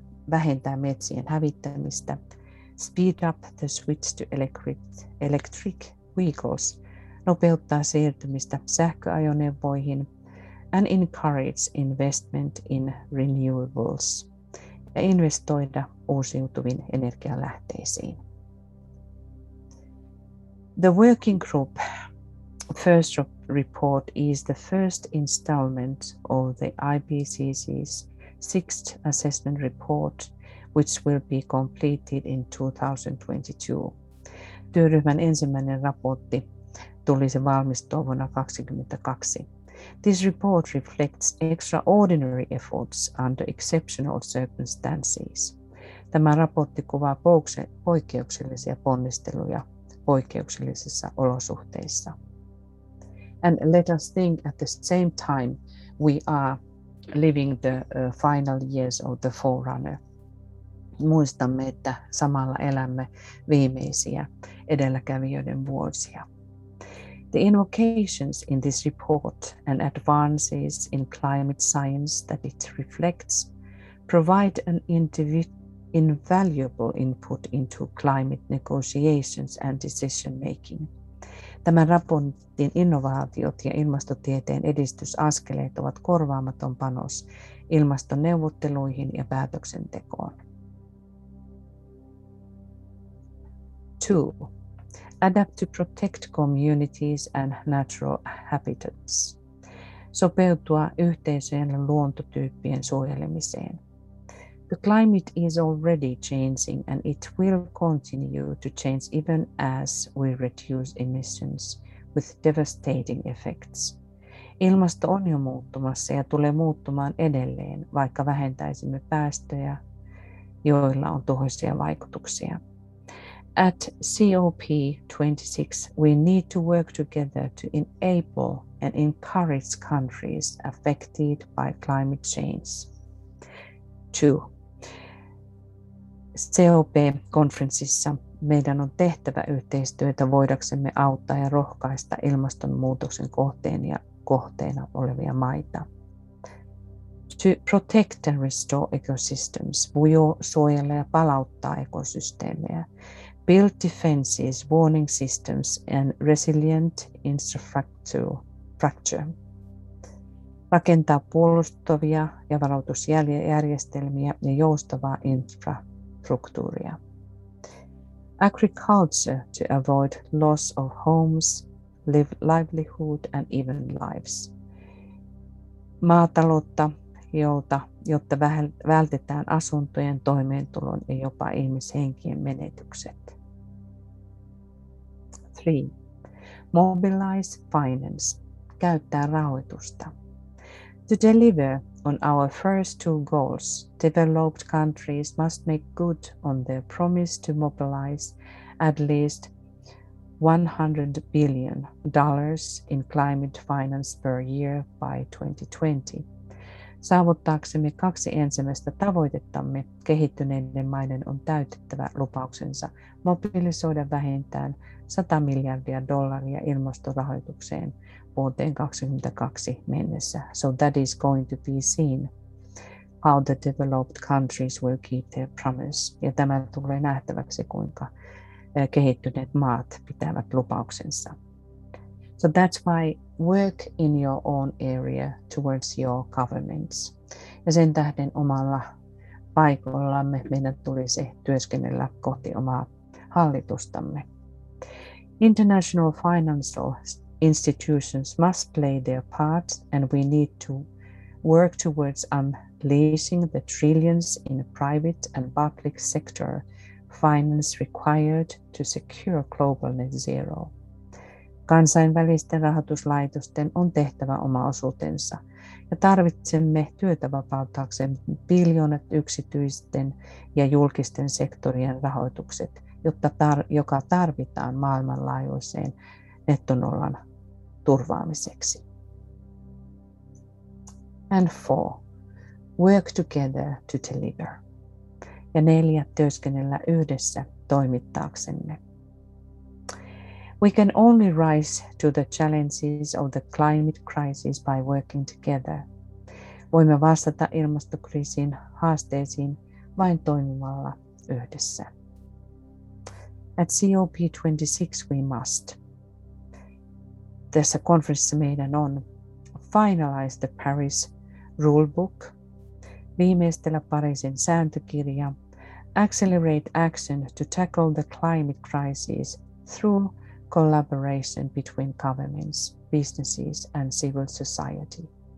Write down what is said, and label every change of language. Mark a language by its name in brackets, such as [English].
[Finnish] vähentää metsien hävittämistä, [English] speed up the switch to electric vehicles, [Finnish] nopeuttaa siirtymistä sähköajoneuvoihin, [English] and encourage investment in renewables, [Finnish] ja investoida uusiutuviin energialähteisiin. [English] The Working Group First Report is the first installment of the IPCC's sixth assessment report, which will be completed in 2022. [Finnish] Työryhmän ensimmäinen raportti tulisi valmistua vuonna 2022. [English] This report reflects extraordinary efforts under exceptional circumstances. [Finnish] Tämä raportti kuvaa poikkeuksellisia ponnisteluja poikkeuksellisissa olosuhteissa. [English] And let us think at the same time we are living the final years of the forerunner. [Finnish] Muistamme, että samalla elämme viimeisiä edelläkävijöiden vuosia. [English] The invocations in this report and advances in climate science that it reflects provide an invaluable input into climate negotiations and decision making. [Finnish] Tämän raportin innovaatiot ja ilmastotieteen edistysaskeleet ovat korvaamaton panos ilmastoneuvotteluihin ja päätöksentekoon. [English] 2. Adapt to protect communities and natural habitats. [Finnish] Sopeutua yhteisöjen luontotyyppien suojelemiseen. [English] The climate is already changing and it will continue to change even as we reduce emissions with devastating effects. [Finnish] Ilmasto on jo muuttumassa ja tulee muuttumaan edelleen, vaikka vähentäisimme päästöjä, joilla on tuhoisia vaikutuksia. [English] At COP26, we need to work together to enable and encourage countries affected by climate change. 2. [Finnish] COP-konferenssissa meidän on tehtävä yhteistyötä voidaksemme auttaa ja rohkaista ilmastonmuutoksen kohteena olevia maita. [English] To protect and restore ecosystems, [Finnish] suojella ja palauttaa ekosysteemejä. [English] Build defenses, warning systems and resilient infrastructure. [Finnish] Rakentaa puolustavia ja varoitusjärjestelmiä ja joustavaa infrastruktuuria. [English] Agriculture to avoid loss of homes, livelihood and even lives. [Finnish] Maataloutta, jotta vältetään asuntojen, toimeentulon ja jopa ihmishenkien menetykset. [English] 3. Mobilize finance. [Finnish] Käyttää rahoitusta. [English] To deliver on our first two goals, developed countries must make good on their promise to mobilize at least $100 billion in climate finance per year by 2020. [Finnish] Saavuttaaksemme kaksi ensimmäistä tavoitettamme, kehittyneiden maiden on täytettävä lupauksensa mobilisoida vähintään $100 miljardia ilmastorahoitukseen vuoteen 2022 mennessä. [English] So that is going to be seen how the developed countries will keep their promise. [Finnish] Ja tämä tulee nähtäväksi, kuinka kehittyneet maat pitävät lupauksensa. [English] So that's why work in your own area towards your governments. [Finnish] Ja sen tähden omalla paikallamme meidän tulisi työskennellä kohti omaa hallitustamme. [English] International financial institutions must play their part and we need to work towards unleashing the trillions in private and public sector finance required to secure global net zero. [Finnish] Kansainvälisten rahoituslaitosten on tehtävä oma osuutensa ja tarvitsemme työtä vapauttaaksemme biljoonat yksityisten ja julkisten sektorien rahoitukset, joka tarvitaan maailmanlaajuiseen nettonollan turvaamiseksi. [English] And 4. Work together to deliver. [Finnish] Ja 4. Työskennellä yhdessä toimittaaksemme. [English] We can only rise to the challenges of the climate crisis by working together. [Finnish] Voimme vastata ilmastokriisin haasteisiin vain toimimalla yhdessä. [English] At COP26 we must, [Finnish] tässä konferenssissa meidän on, [English] finalize the Paris rulebook, [Finnish] viimeistellä Pariisin sääntökirja, [English] accelerate action to tackle the climate crisis through collaboration between governments, businesses and civil society.